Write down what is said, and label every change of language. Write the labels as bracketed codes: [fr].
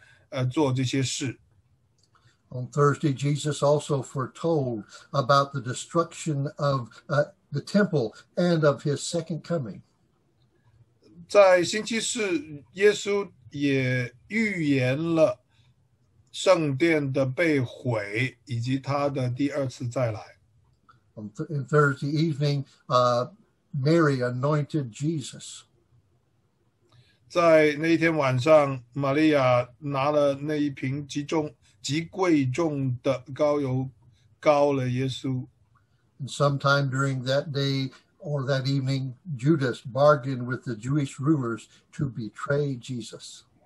[zh] 然后星期四的工会的人就质问耶稣，你凭什么权柄做这些事？ [en] On Thursday, Jesus also foretold about the destruction of the temple and of his second coming. [zh] 在星期四，耶稣也预言了。圣殿的被毁，以及他的第二次再来。 [en] On Thursday evening, Mary anointed Jesus. [zh] 在那一天晚上，玛利亚拿了那一瓶极贵重的膏油，膏了耶稣。 [en] And sometime during that day or that evening, Judas bargained with the Jewish rulers to betray Jesus.